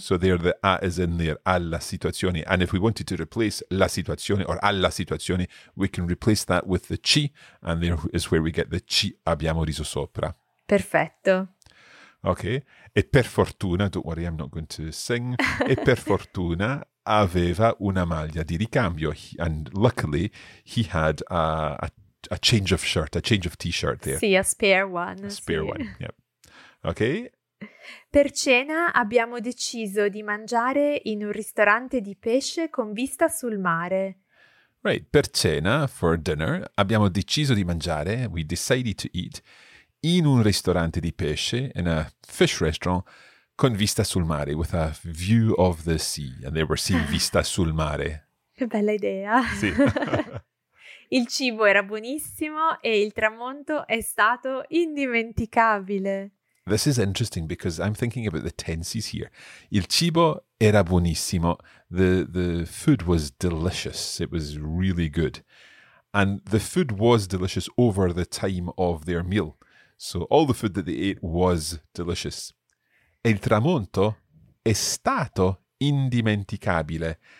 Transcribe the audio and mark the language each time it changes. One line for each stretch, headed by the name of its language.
English: So there the a is in there,
Italian: alla situazione.
English: And if we wanted to replace
Italian: la situazione
English: or alla situazione, we can replace that with the ci, and there is where we get the
Italian: ci abbiamo riso sopra. Perfetto.
English: Okay.
Italian: E per fortuna,
English: don't worry, I'm not going to sing.
Italian: E per fortuna aveva una maglia di ricambio.
English: And luckily, he had a change of shirt, a change of t-shirt there.
Italian: Sì,
English: a spare one. A spare
Italian: sì.
English: one, yep. Okay.
Italian: Per cena abbiamo deciso di mangiare in un ristorante di pesce con vista sul mare.
English: Right,
Italian: per cena,
English: for dinner,
Italian: abbiamo deciso di mangiare,
English: we decided to eat,
Italian: in un ristorante di pesce,
English: in a fish restaurant,
Italian: con vista sul mare,
English: with a view of the sea, and there were seeing
Italian: vista sul mare. Che bella idea! Sì. Il cibo era buonissimo e il tramonto è stato indimenticabile.
English: This is interesting because I'm thinking about the tenses here.
Italian: Il cibo era buonissimo.
English: The food was delicious. It was really good. And the food was delicious over the time of their meal. So all the food that they ate was delicious.
Italian: Il tramonto è stato indimenticabile.